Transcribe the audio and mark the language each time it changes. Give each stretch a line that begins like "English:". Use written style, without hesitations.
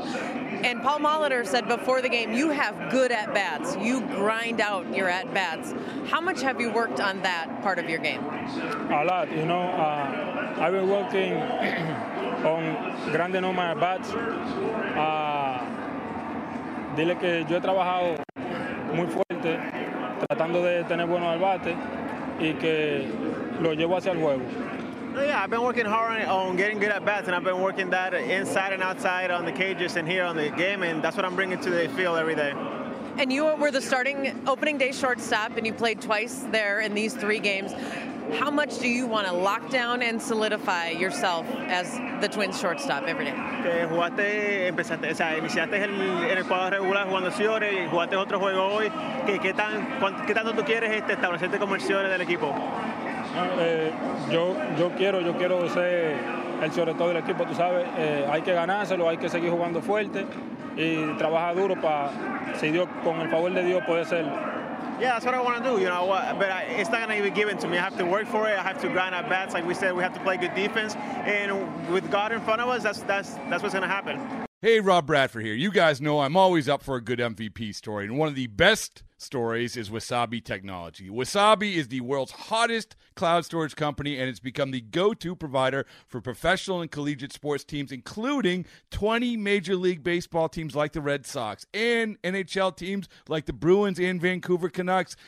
English: And Paul Molitor said before the game, you have good at-bats. You grind out your at-bats. How much have you worked on that part of your game? A lot. You know, I've been working on grinding on my at-bats.
Spanish: Dile que yo he trabajado muy fuerte, tratando de tener buenos at-bates, y que lo llevo hacia el juego.
English: Yeah, I've been working hard on getting good at bats, and I've been working that inside and outside on the cages and here on the game, and that's what I'm bringing to the field every day. And you were the starting opening day shortstop, and you played twice there in these three games. How much do you want to lock down and solidify yourself as the Twins shortstop every day?
Spanish: Jugaste, empezaste, o sea, iniciaste en el cuadro regular jugando Ciore, jugaste otro juego hoy. ¿Qué tanto tú quieres establecerte como el Ciore del equipo? Yo quiero ser el sobretodo del equipo, tú sabes, hay que ganárselo, hay que seguir jugando fuerte y trabajar duro para, si Dios, con el favor de Dios, poder ser.
English: Yeah, that's what I want to do, you know, but it's not going to be given to me. I have to work for it, I have to grind at bats, like we said, we have to play good defense, and with God in front of us, that's what's going to happen. Hey, Rob Bradford here. You guys know I'm always up for a good MVP story, and one of the best stories is Wasabi Technology. Wasabi is the world's hottest cloud storage company, and it's become the go-to provider for professional and collegiate sports teams, including 20 Major League Baseball teams like the Red Sox and NHL teams like the Bruins and Vancouver Canucks.